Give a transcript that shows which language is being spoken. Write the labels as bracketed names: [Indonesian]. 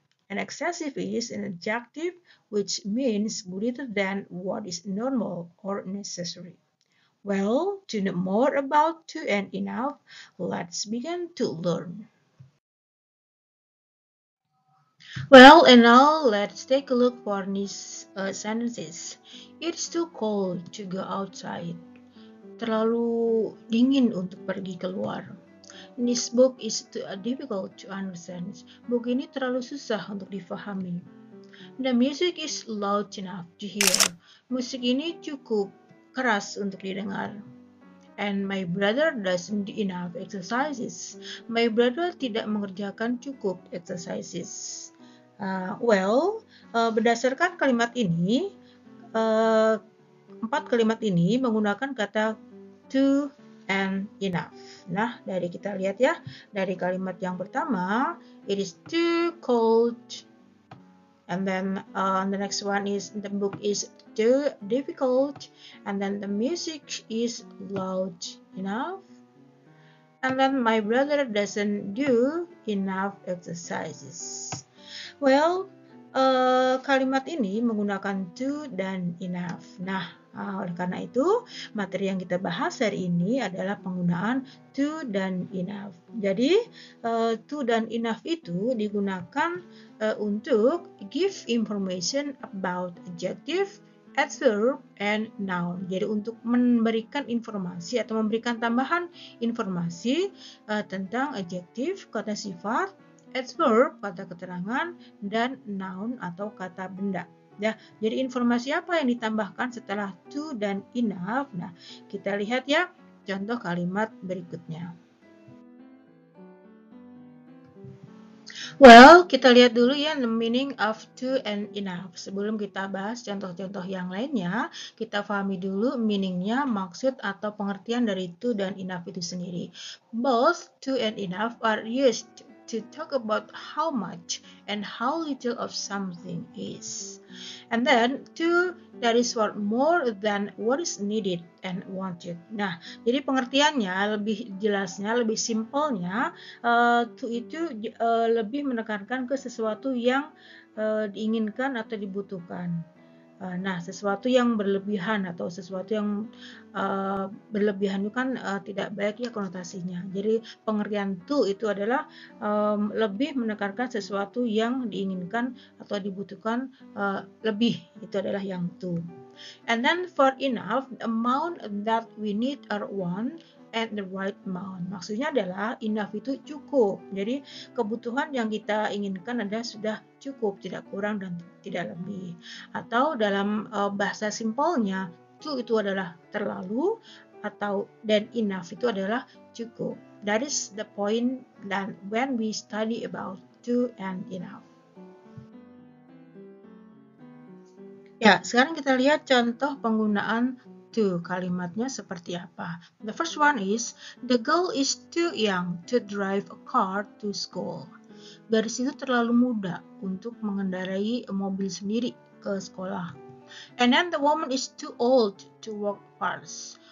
[English] And excessive is an adjective which means greater than what is normal or necessary. Well, to know more about too and enough, let's begin to learn. Well, and now let's take a look for these sentences. It's too cold to go outside. [Indonesian] Terlalu dingin untuk pergi keluar. [English] This book is too difficult to understand. [Indonesian] Buku ini terlalu susah untuk difahami. [English] The music is loud enough to hear. [Indonesian] Musik ini cukup keras untuk didengar. [English] And my brother doesn't do enough exercises. My brother [Indonesian] tidak mengerjakan cukup exercises. Berdasarkan kalimat ini, empat kalimat ini menggunakan kata too and enough. Nah, dari kita lihat ya, dari kalimat yang pertama, [English] it is too cold. And then the next one is the book is too difficult. And then the music is loud enough. And then my brother doesn't do enough exercises. [Indonesian] Well, kalimat ini menggunakan to dan enough. Nah, oleh karena itu, materi yang kita bahas hari ini adalah penggunaan to dan enough. Jadi, to dan enough itu digunakan untuk [English] give information about adjective, adverb, and noun. [Indonesian] Jadi, untuk memberikan informasi atau memberikan tambahan informasi tentang adjective, kata sifat, adverb, kata keterangan, dan noun atau kata benda. Ya, jadi informasi apa yang ditambahkan setelah to dan enough? Nah, kita lihat ya contoh kalimat berikutnya. Well, kita lihat dulu ya [English] the meaning of to and enough. [Indonesian] Sebelum kita bahas contoh-contoh yang lainnya, kita pahami dulu meaningnya, maksud atau pengertian dari to dan enough itu sendiri. [English] Both to and enough are used to talk about how much and how little of something is. And then, two, that is what more than what is needed and wanted. [Indonesian] Nah, jadi pengertiannya lebih jelasnya, lebih simpelnya, to itu lebih menekankan ke sesuatu yang diinginkan atau dibutuhkan. Nah, sesuatu yang berlebihan atau sesuatu yang berlebihan itu kan tidak baik ya konotasinya. Jadi, pengertian to itu adalah lebih menekankan sesuatu yang diinginkan atau dibutuhkan lebih. Itu adalah yang to. [English] And then, for enough, the amount that we need or want at the right amount. [Indonesian] Maksudnya adalah enough itu cukup. Jadi, kebutuhan yang kita inginkan adalah sudah cukup, tidak kurang dan tidak lebih. Atau dalam bahasa simpelnya, too itu adalah terlalu atau dan enough itu adalah cukup. [English] That is the point that when we study about too and enough. [Indonesian] Ya, sekarang kita lihat contoh penggunaan to. Kalimatnya seperti apa? [English] The first one is, the girl is too young to drive a car to school. [Indonesian] Gadis itu terlalu muda untuk mengendarai mobil sendiri ke sekolah. [English] And then the woman is too old to walk fast.